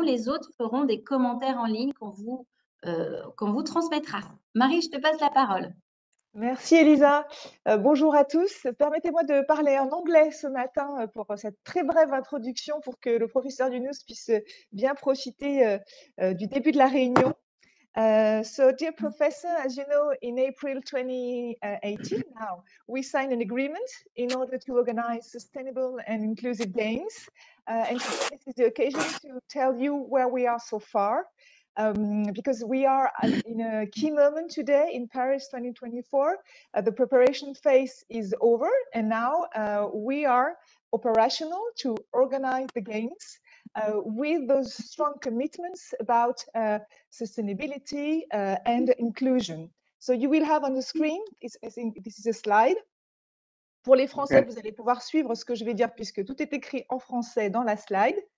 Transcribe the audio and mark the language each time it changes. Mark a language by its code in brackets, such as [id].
[fr] Les autres feront des commentaires en ligne qu'on vous transmettra. Marie, je te passe la parole. Merci Elisa. Bonjour à tous. Permettez-moi de parler en anglais ce matin pour cette très brève introduction pour que le professeur Younous puisse bien profiter du début de la réunion. [en] So, dear professor, as you know, in April 2018, now, we signed an agreement in order to organize sustainable and inclusive games. And today, this is the occasion to tell you where we are so far. Because we are in a key moment today in Paris 2024. The preparation phase is over, and now we are operational to organize the games with those strong commitments about sustainability and inclusion. So you will have on the screen, I think this is a slide. [fr] Pour les Français, vous allez pouvoir suivre ce que je vais dire puisque tout est écrit en français dans la slide.